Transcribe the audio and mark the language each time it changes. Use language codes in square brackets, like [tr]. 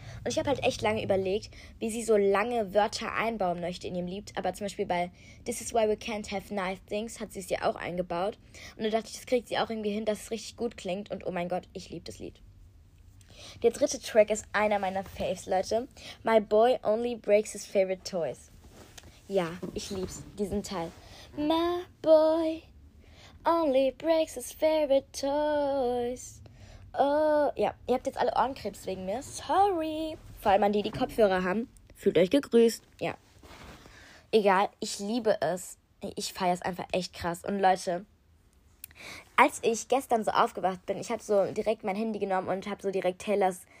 [de] Und ich habe halt echt lange überlegt, wie sie so lange Wörter einbauen möchte in ihrem Lied. Aber zum Beispiel bei This is why we can't have nice things hat sie es ja auch eingebaut. Und da dachte ich, das kriegt sie auch irgendwie hin, dass es richtig gut klingt. Und oh mein Gott, ich lieb das Lied. Der dritte Track ist einer meiner Faves, Leute. [en] My boy only breaks his favorite toys. [de] Ja, ich lieb's, diesen Teil. [en] My boy only breaks his favorite toys. [de] Oh, ja, ihr habt jetzt alle Ohrenkrebs wegen mir. Sorry. Vor allem an die, die Kopfhörer haben. Fühlt euch gegrüßt. Ja. Egal, ich liebe es. Ich feier's einfach echt krass. Und Leute, als ich gestern so aufgewacht bin, ich habe so direkt mein Handy genommen und habe so direkt Taylors